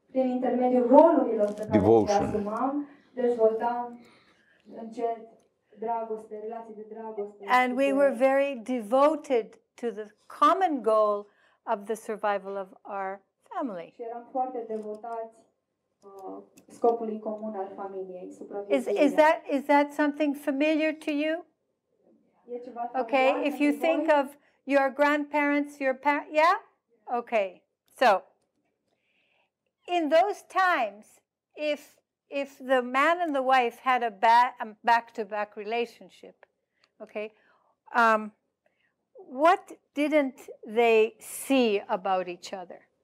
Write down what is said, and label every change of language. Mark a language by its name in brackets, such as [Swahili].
[Romanian] Prin intermediul rolurilor pe care le asumam, dezvoltam încet dragoste, relații de dragoste. [English] And we were very devoted to the common goal of the survival of our family. [Romanian] Și eram foarte devotați scopului comun al familiei, supraviețuirea. [English] Is that something familiar to you? [Romanian] E ceva [English] okay, if you think of your grandparents, your parents, yeah? Okay, so in those times, if the man and the wife had a back-to-back relationship, okay, what didn't they see about each other?